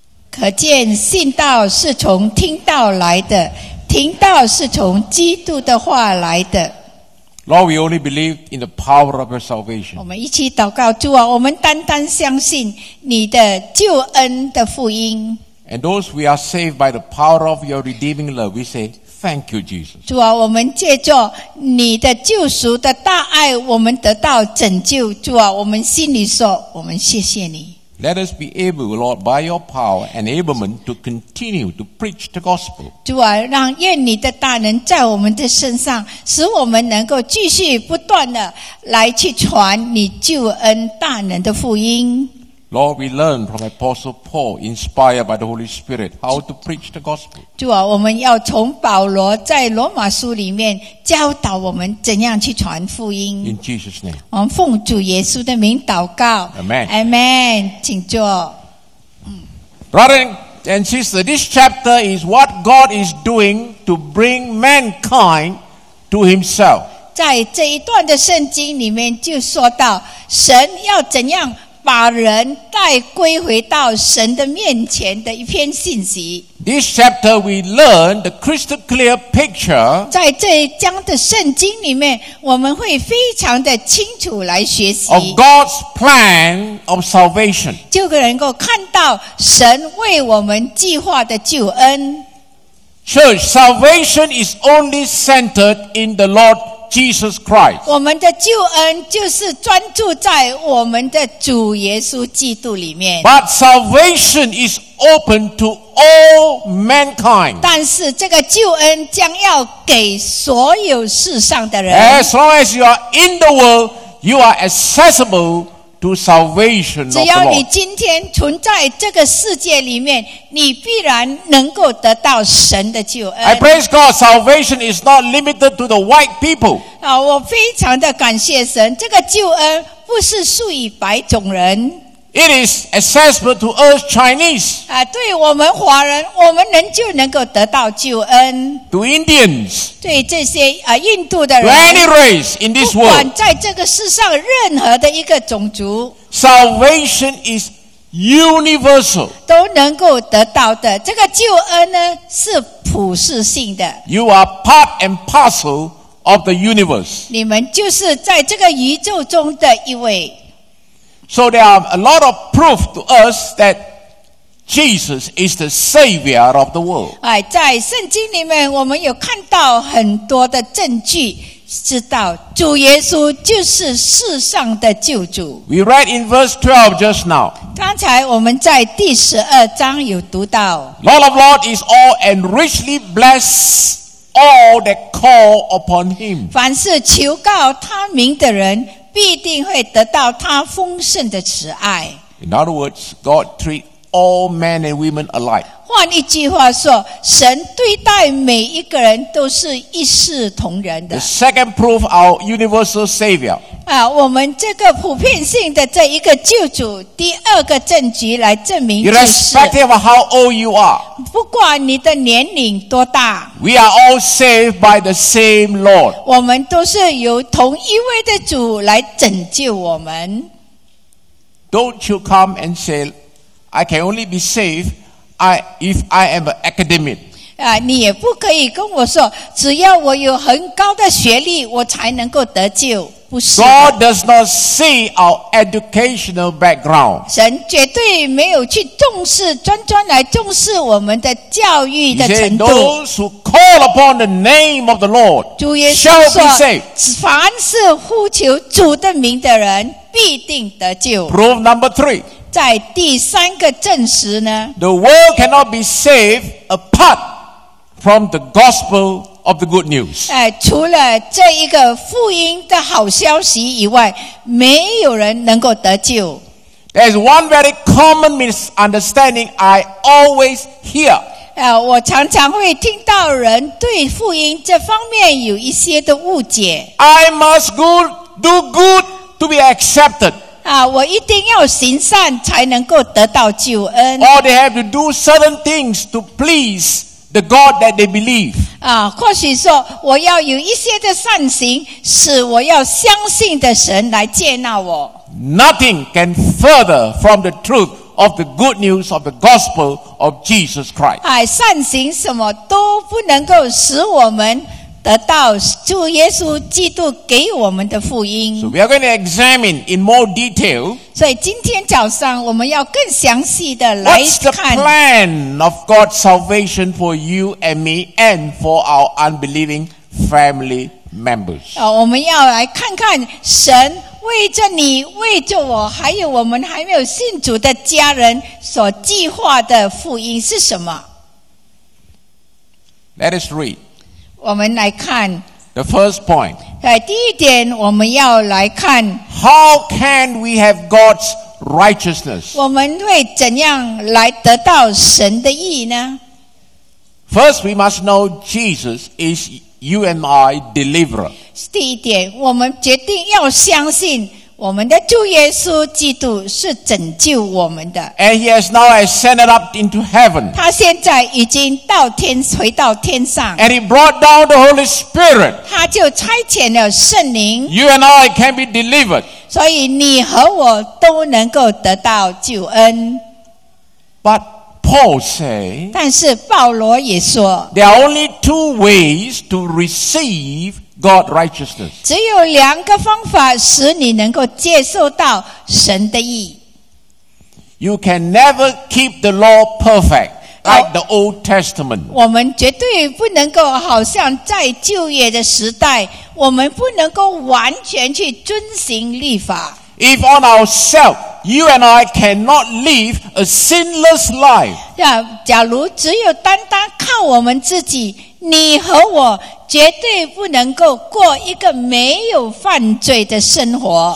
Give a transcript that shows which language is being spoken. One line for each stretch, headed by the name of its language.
Chinese: 可见信道是从听道来的, 听道是从基督的话来的。
English: Lord, we only believe in the power of your salvation.
Chinese: 我们一起祷告, 主啊, 我们单单相信你的救恩的福音。
English: And those we are saved by the power of your redeeming love, we say, Thank you, Jesus.
Chinese: 主啊，我们借着你的救赎的大爱，我们得到拯救。主啊，我们心里说，我们谢谢你。
English: Let us be able, Lord, by your power and enablement to continue to preach the gospel.
Chinese: 主啊，让愿你的大能在我们的身上，使我们能够继续不断的来去传你救恩大能的福音。
English: Lord, we learn from Apostle Paul, inspired by the Holy Spirit, how to preach the gospel.
Chinese: 主啊，我们要从保罗在罗马书里面教导我们怎样去传福音。
English: In Jesus' name.
Chinese: 我们奉主耶稣的名祷告。
English: Amen.
Chinese: Amen. 请坐。
English: Brother and sister, this chapter is what God is doing to bring mankind to himself.
Chinese: 在这一段的圣经里面就说到神要怎样把人带归回到神的面前的一篇信息。
English: This chapter we learn the crystal clear picture.
Chinese: 在这一章的圣经里面，我们会非常的清楚来学习。
English: Of God's plan of salvation.
Chinese: 就能够看到神为我们计划的救恩。
English: Church, salvation is only centered in the Lord. Jesus Christ.
Chinese: 我们的救恩就是专注在我们的主耶稣基督里面。
English: But salvation is open to all mankind.
Chinese: 但是这个救恩将要给所有世上的人。
English: As long as you are in the world, you are accessible to salvation of the Lord.
Chinese: 只要你今天存在这个世界里面，你必然能够得到神的救恩。
English: I praise God, salvation is not limited to the white people.
Chinese: 好，我非常的感谢神，这个救恩不是属于白种人。
English: It is accessible to us Chinese.
Chinese: 啊，对我们华人，我们人就能够得到救恩。
English: To Indians.
Chinese: 对这些啊，印度的人。
English: To any race in this world.
Chinese: 不管在这个世上任何的一个种族。
English: Salvation is universal.
Chinese: 都能够得到的，这个救恩呢是普世性的。
English: You are part and parcel of the universe.
Chinese: 你们就是在这个宇宙中的一位。
English: So there are a lot of proof to us that Jesus is the Savior of the world.
Chinese: 在圣经里面我们有看到很多的证据，知道主耶稣就是世上的救主。
English: We read in verse 12 just now.
Chinese: 刚才我们在第十二章有读到。
English: Lord of Lords is all and richly bless all that call upon him.
Chinese: 凡是求告他名的人必定会得到他丰盛的慈爱。
English: In other words, God treats all men and women alike.
Chinese: 换一句话说，神对待每一个人都是一视同仁的。
English: The second proof, our universal Savior.
Chinese: 啊，我们这个普遍性的这一个救主，第二个证据来证明就是。
English: Irrespective of how old you are.
Chinese: 不管你的年龄多大。
English: We are all saved by the same Lord.
Chinese: 我们都是由同一位的主来拯救我们。
English: Don't you come and say, I can only be saved if I am an academic.
Chinese: 啊，你也不可以跟我说，只要我有很高的学历，我才能够得救。不是。
English: God does not see our educational background.
Chinese: 神绝对没有去重视，专专来重视我们的教育的程度。
English: He said, "Those who call upon the name of the Lord shall be saved."
Chinese: 凡是呼求主的名的人，必定得救。
English: Proof number three.
Chinese: 在第三个证实呢
English: ？The world cannot be saved apart from the gospel of the good news.
Chinese: 除了这一个福音的好消息以外，没有人能够得救。
English: There is one very common misunderstanding I always hear.
Chinese: 我常常会听到人对福音这方面有一些的误解。
English: I must do good to be accepted.
Chinese: 我一定要行善才能够得到救恩。
English: Or they have to do certain things to please the God that they believe.
Chinese: 或许说我要有一些的善行，使我要相信的神来接纳我。
English: Nothing can further from the truth of the good news of the gospel of Jesus Christ.
Chinese: 善行什么都不能够使我们得到主耶稣基督给我们的福音。
English: So we are going to examine in more detail.
Chinese: 所以今天早上我们要更详细的来看。
English: What's the plan of God's salvation for you and me and for our unbelieving family members?
Chinese: 我们要来看看神为着你、为着我，还有我们还没有信主的家人所计划的福音是什么。
English: Let us read.
Chinese: 我们来看
English: the first point.
Chinese: 第一点我们要来看
English: How can we have God's righteousness?
Chinese: 我们会怎样来得到神的义呢？
English: First, we must know Jesus is you and I deliverer.
Chinese: 第一点，我们决定要相信我们的主耶稣基督是拯救我们的。
English: And he has now ascended up into heaven.
Chinese: 他现在已经到天，回到天上。
English: And he brought down the Holy Spirit.
Chinese: 他就差遣了圣灵。
English: You and I can be delivered.
Chinese: 所以你和我都能够得到救恩。
English: But Paul say,
Chinese: 但是保罗也说
English: There are only two ways to receiveGod righteousness.
Chinese: 只有两个方法使你能够接受到神的义。
English: You can never keep the law perfect, like the Old Testament.
Chinese: 我们绝对不能够好像在旧约的时代，我们不能够完全去遵行律法。
English: If on ourselves, you and I cannot live a sinless life.
Chinese: 假如只有单单靠我们自己，你和我绝对不能够过一个没有犯罪的生活。